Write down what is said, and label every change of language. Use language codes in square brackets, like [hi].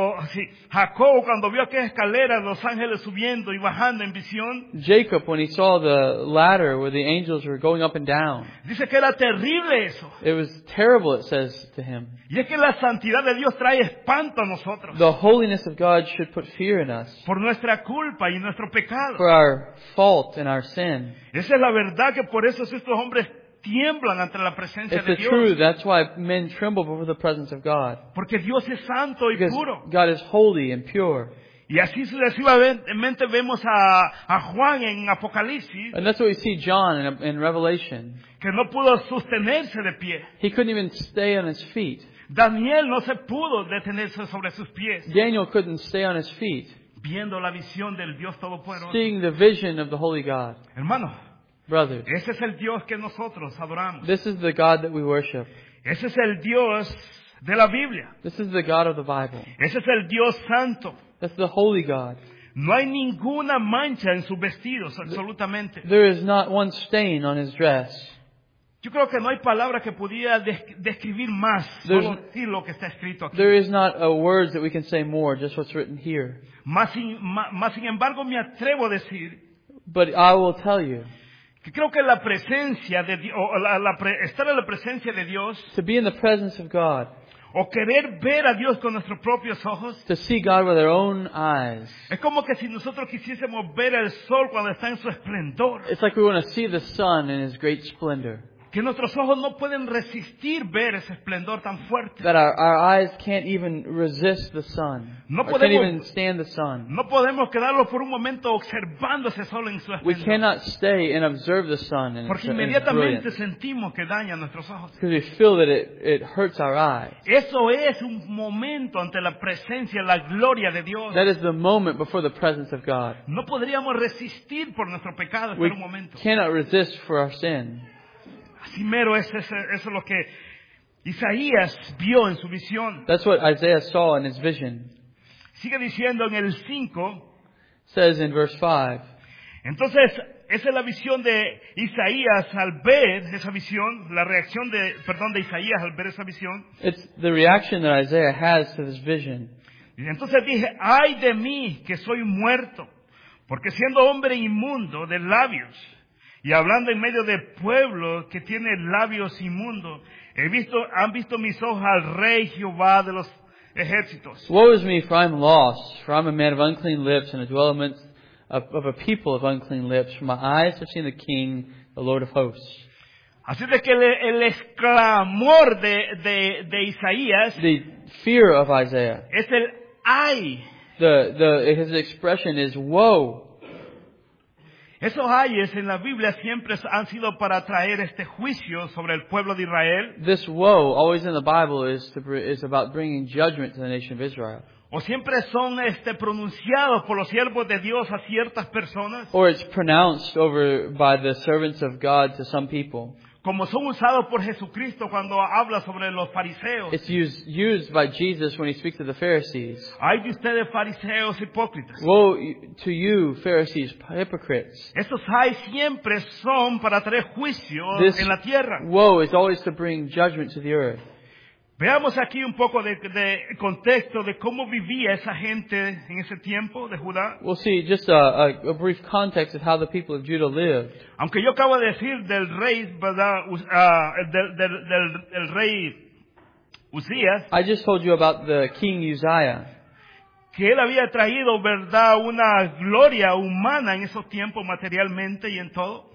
[es] Jacob, cuando vio aquella escalera, los ángeles subiendo y bajando en visión. [en] Jacob, when he saw the ladder where the angels were going up and down. [es] Dice que era terrible eso. [en] It was terrible, it says to him. [es] Y es que la santidad de Dios trae espanto a nosotros. [en] The holiness of God should put fear in us. [es] Por nuestra culpa y nuestro pecado. [en] For our fault and our sin. [es] Esa es la verdad que por eso estos hombres tiemblan ante la presencia de Dios. [en] It's the truth. That's why men tremble before the presence of God. [es] Porque Dios es santo y puro. [en] God is holy and pure. [es] Y así sucesivamente vemos a Juan en Apocalipsis. [en] And that's what we see John in Revelation. [es] Que no pudo sostenerse de pie. [en] He couldn't even stay on his feet. [es] Daniel no se pudo detenerse sobre sus pies. [en] Daniel couldn't stay on his feet. [es] Viendo la visión del Dios Todopoderoso. [en] Seeing the vision of the Holy God. [es] Hermano. [en] Brothers. [es] Ese es el Dios que nosotros adoramos. [en] This is the God that we worship. [es] Ese es el Dios de la Biblia. [en] This is the God of the Bible. [es] Ese es el Dios Santo. [en] That's the Holy God. [es] No hay ninguna mancha en sus vestidos, absolutamente. [en] There is not one stain on his dress. [es] Yo creo que no hay palabra que pudiera describir más, solo decir lo que está escrito aquí. [en] There is not a word that we can say more, just what's written here. [es] Más sin embargo, me atrevo a decir. [en] But I will tell you. [es] Que creo que la presencia de Dios, estar en la presencia de Dios. [en] To be in the presence of God. [es] O querer ver a Dios con nuestros propios ojos. [en] To see God with our own eyes. [es] Es como que si nosotros quisiésemos ver el sol cuando está en su esplendor. [en] It's like we want to see the sun in his great splendor. [es] Que nuestros ojos no pueden resistir ver ese esplendor tan fuerte. [en] That our eyes can't even resist the sun. [es] No podemos, [en] can't even stand the sun. [es] No podemos quedarlo por un momento observando ese sol en su esplendor. [en] We cannot stay and observe the sun in [es] Porque inmediatamente sentimos que daña nuestros ojos. [en] Because we feel that it hurts our eyes. [es] Eso es un momento ante la presencia, la gloria de Dios. [en] That is the moment before the presence of God. [es] No podríamos resistir por nuestro pecado [en] we [es] por un momento. [en] We cannot resist for our sin. [es] Así mero es eso lo que Isaías vio en su visión. [en] That's what Isaiah saw in his vision. [es] Sigue diciendo en el 5. [en] Says in verse 5. [es] Entonces, esa es la visión de Isaías al ver esa visión, la reacción de Isaías al ver esa visión. [en] It's the reaction that Isaiah has to this vision. [es] Y entonces dije, ay de mí que soy muerto, porque siendo hombre inmundo de labios, y hablando en medio de pueblo que tiene labios inmundos, han visto mis ojos al Rey Jehová de los ejércitos. [en] Woe is me, for I am lost, for I am a man of unclean lips, and a dwelling of a people of unclean lips. For my eyes have seen the King, the Lord of hosts. [es] Así de que el exclamor de Isaías. [en] The fear of Isaiah. [es] Es el ay. [en] His expression is woe. [es] Esos ayes en la Biblia siempre han sido para traer este juicio sobre el pueblo de Israel. [en] This woe, always in the Bible, is about bringing judgment to the nation of Israel. [es] O siempre son pronunciados por los siervos de Dios a ciertas personas. [en] Or it's pronounced over by the servants of God to some people. [es] Como son usados por Jesucristo cuando habla sobre los fariseos. [en] It's used by Jesus when he speaks to the Pharisees. [es] Ay de ustedes, fariseos hipócritas. [en] Woe to you, Pharisees, hypocrites. [es] Estos ay siempre son para traer juicio en la tierra. [en] Woe is always to bring judgment to the earth. [es] Veamos aquí un poco de contexto de cómo vivía esa gente en ese tiempo de Judá. [en] We'll see just a brief context of how the people of Judah lived. [es] Aunque yo acabo de decir del rey, ¿verdad? Del rey Uzías. [en] I just told you about the king Uzziah. [es] Que él había traído, ¿verdad? Una gloria humana en esos tiempos materialmente y en todo.